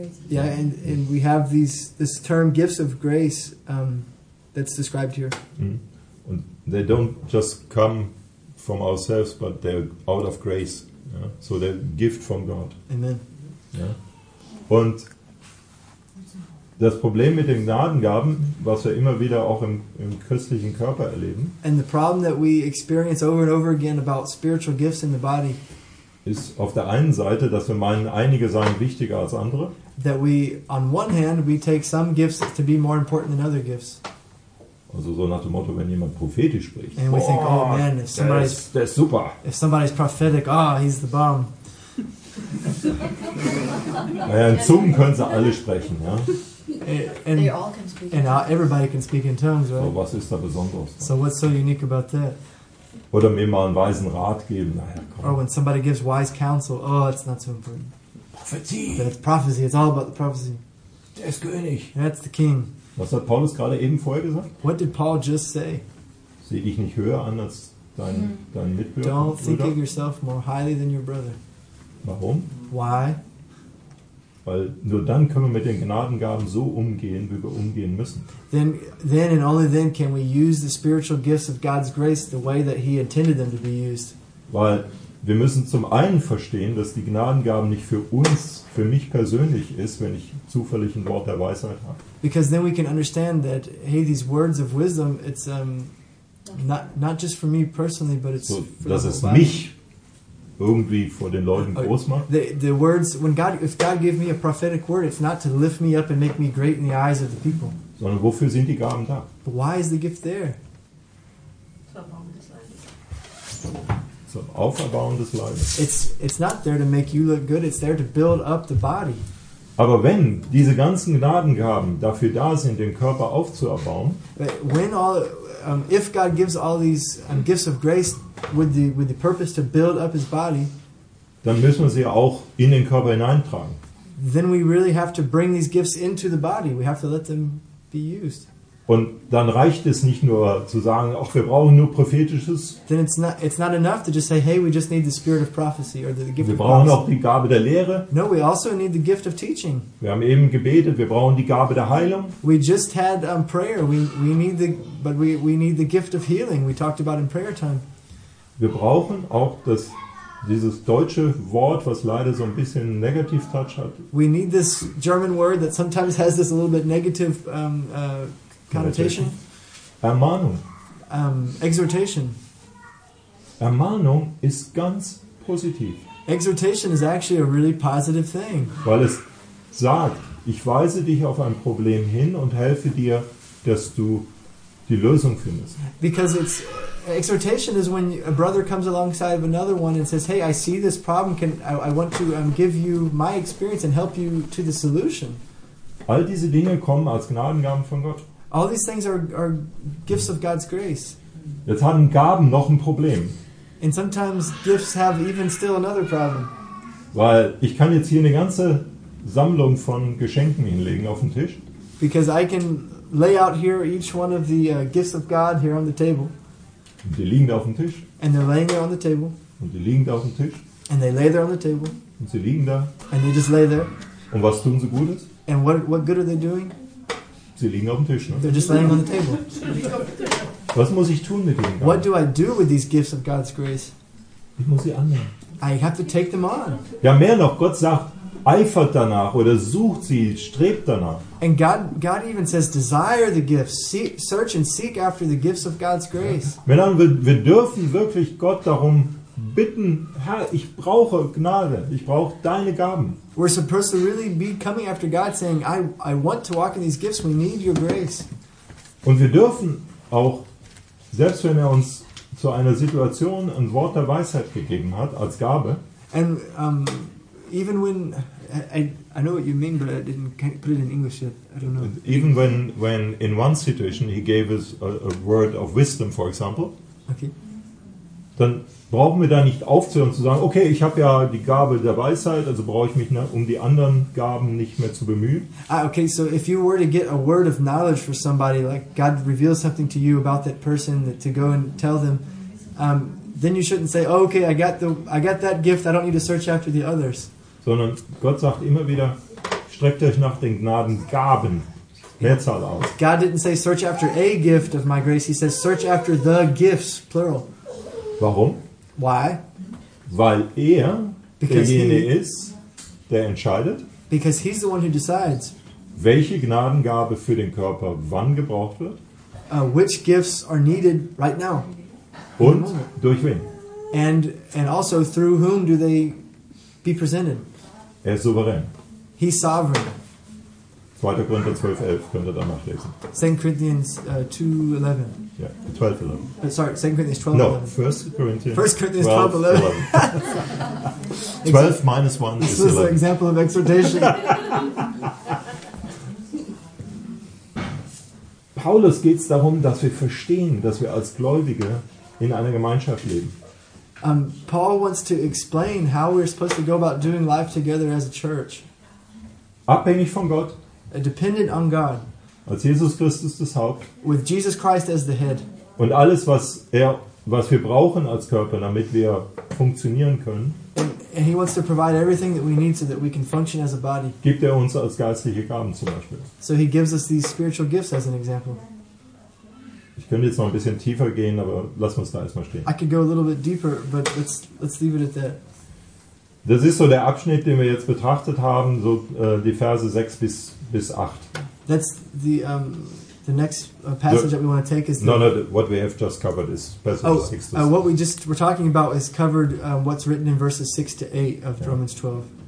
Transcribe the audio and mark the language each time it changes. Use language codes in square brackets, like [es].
[en] Yeah, and we have this term gifts of grace that's described here. And they don't just come from ourselves, but they're out of grace. Yeah? So they're gift from God. Amen. Yeah? [de] Und das Problem mit den Gnadengaben, was wir immer wieder auch im christlichen Körper erleben, [en] and the problem that we experience over and over again about spiritual gifts in the body, [de] ist auf der einen Seite, dass wir meinen, einige seien wichtiger als andere. [en] That we, on one hand, we take some gifts to be more important than other gifts. [de] Also so nach dem Motto, wenn jemand prophetisch spricht, [en] and we think, oh man, if somebody's, [de] der ist super. [en] If somebody's prophetic, oh, he's the bomb. [de] Naja, in Zungen können sie alle sprechen, ja. [en] And, they all can speak in tongues. Everybody can speak in tongues, right? [de] So, was ist da besonders? [en] So what's so unique about that? [de] Oder mir mal einen weisen Rat geben, naja, komm. [en] Or when somebody gives wise counsel, oh, it's not so important. Prophecy. That's prophecy, it's all about the prophecy. [de] Der ist König. [en] That's the king. [de] Was hat Paulus gerade eben vorher gesagt? [en] What did Paul just say? [de] Sehe dich nicht höher an als dein Mitbürger. [en] Don't think of yourself more highly than your brother. [de] Warum? [en] Why? [de] Weil nur dann können wir mit den Gnadengaben so umgehen, wie wir umgehen müssen. [en] Then and only then can we use the spiritual gifts of God's grace the way that He intended them to be used. [de] Weil wir müssen zum einen verstehen, dass die Gnadengaben nicht für uns, für mich persönlich ist, wenn ich zufällig ein Wort der Weisheit habe. [en] Because then we can understand that hey, these words of wisdom, it's not just for me personally, but it's [de] so, das ist mich. Irgendwie vor den Leuten groß machen. [en] The words, when God, if God gave me a prophetic word, it's not to lift me up and make me great in the eyes of the people. [de] Sondern wofür sind die Gaben da? [en] But why is the gift there? [de] Zum Aufbauen des Leibes. [en] It's not there to make you look good. It's there to build up the body. [de] Aber wenn diese ganzen Gnadengaben dafür da sind, den Körper aufzubauen. [en] But when all, if God gives all these gifts of grace. With the purpose to build up his body, [de] dann müssen wir sie auch in den Körper hineintragen. [en] Then we really have to bring these gifts into the body. We have to let them be used. [de] Und dann reicht es nicht nur zu sagen, ach, wir brauchen nur prophetisches. [en] Then it's not enough to just say, hey, we just need the spirit of prophecy or the gift. [de] Wir brauchen auch die Gabe der Lehre. [en] No, we also need the gift of teaching. [de] Wir haben eben gebetet. Wir brauchen die Gabe der Heilung. [en] We just had prayer. We need the gift of healing. We talked about in prayer time. [de] Wir brauchen auch dieses deutsche Wort, was leider so ein bisschen negativ Touch hat. [en] We need this German word that sometimes has this a little bit negative connotation. [de] Ermahnung. [en] Exhortation. [de] Ermahnung ist ganz positiv. [en] Exhortation is actually a really positive thing. [de] Weil es sagt, ich weise dich auf ein Problem hin und helfe dir, dass du die Lösung findest. [en] Because it's exhortation is when a brother comes alongside of another one and says, hey, I see this problem. I want to give you my experience and help you to the solution. [de] All diese Dinge kommen als Gnadengaben von Gott. [en] All these things are gifts of God's grace. [de] Jetzt haben Gaben noch ein Problem. [en] And sometimes gifts have even still another problem. [de] Weil ich kann jetzt hier eine ganze Sammlung von Geschenken hinlegen auf den Tisch. [en] Because I can lay out here each one of the gifts of God here on the table. [de] Und die liegen da auf dem Tisch. [en] And they're laying there on the table. [de] Und die liegen da auf dem Tisch. [en] And they lay there on the table. [de] Und sie liegen da. [en] And they just lay there. [de] Und was tun sie Gutes? [en] And what good are they doing? [de] Sie liegen auf dem Tisch, ne? [en] They're just laying on the table. [de] Was muss ich tun mit ihnen? [en] What do I do with these gifts of God's grace? [de] Ich muss sie annehmen. [en] I have to take them on. [de] Ja, mehr noch, Gott sagt, eifert danach oder sucht sie, strebt danach. [en] And God even says, desire the gifts, search and seek after the gifts of God's grace. [de] Ja. Männer, wir dürfen wirklich Gott darum bitten, Herr, ich brauche Gnade, ich brauche deine Gaben. [en] We're supposed to really be coming after God saying, I want to walk in these gifts, we need your grace. [de] Und wir dürfen auch, selbst wenn er uns zu einer Situation ein Wort der Weisheit gegeben hat, als Gabe. [en] And even when, I know what you mean, but I didn't put it in English yet, I don't know. Even when in one situation he gave us a word of wisdom, for example. Okay. [de] Dann brauchen wir da nicht aufzuhören zu sagen, okay, ich habe ja die Gabe der Weisheit, also brauche ich mich, ne, um die anderen Gaben nicht mehr zu bemühen. [en] Ah, okay, so if you were to get a word of knowledge for somebody, like God reveals something to you about that person, that to go and tell them, then you shouldn't say, oh, okay, I got that gift, I don't need to search after the others. [de] Sondern Gott sagt immer wieder, streckt euch nach den Gnadengaben. Mehrzahl aus. [en] God didn't say search after a gift of my grace, he says search after the gifts, plural. [de] Warum? [en] Why? [de] Weil er derjenige ist, der entscheidet. [en] Because he's the one who decides. [de] Welche Gnadengabe für den Körper wann gebraucht wird? [en] Which gifts are needed right now? [de] Und durch wen? [en] And also through whom do they be presented? [de] Er ist souverän. [en] He's sovereign. [de] 2. Korinther 12,11 könnt ihr da nachlesen. [en] 2. Corinthians 2,11. Yeah, 12:11. Sorry, 2 Corinthians 12:11. No, 1 Corinthians. 1 Corinthians 12:11. 12 minus 1 is 11. This is an example of exhortation. [de] Paulus geht's darum, dass wir verstehen, dass wir als Gläubige in einer Gemeinschaft leben. [en] Paul wants to explain how we're supposed to go about doing life together as a church. [de] Abhängig von Gott. [en] Dependent on God. [de] Als Jesus Christus das Haupt. [en] With Jesus Christ as the head. [de] Und alles, was wir brauchen als Körper, damit wir funktionieren können. [en] And he wants to provide everything that we need so that we can function as a body. [de] Gibt er uns als geistliche Gaben zum Beispiel. [en] So he gives us these spiritual gifts as an example. [de] Ich könnte jetzt noch ein bisschen tiefer gehen, aber lassen wir es da erstmal stehen. [en] I could go a little bit deeper, but let's leave it at that. [de] Das ist so der Abschnitt, den wir jetzt betrachtet haben, so die Verse 6 bis 8. [en] That's the next passage that we want to take is the, No, what we have just covered is passage 6 to What we just were talking about is covered what's written in verses 6 to 8 of Romans 12.